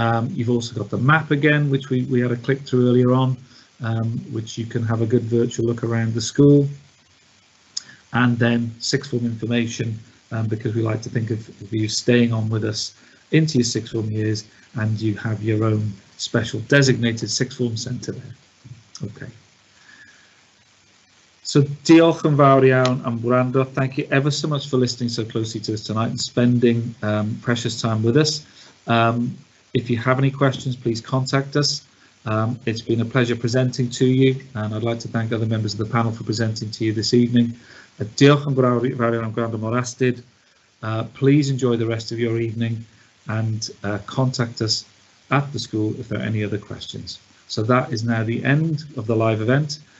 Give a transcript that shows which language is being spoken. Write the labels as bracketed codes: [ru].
[en] You've also got the map again, which we had a click through earlier on, which you can have a good virtual look around the school. And then 6 form information, because we like to think of you staying on with us into your 6 form years, and you have your own special designated 6 form centre there. Okay. [cy] So diolch yn fawr iawn am wrando. [en] Thank you ever so much for listening so closely to us tonight and spending precious time with us. If you have any questions, please contact us. It's been a pleasure presenting to you, and I'd like to thank other members of the panel for presenting to you this evening. [cy] Diolch yn fawr iawn am gwrando mor astud. [en] Please enjoy the rest of your evening and contact us at the school if there are any other questions. So that is now the end of the live event.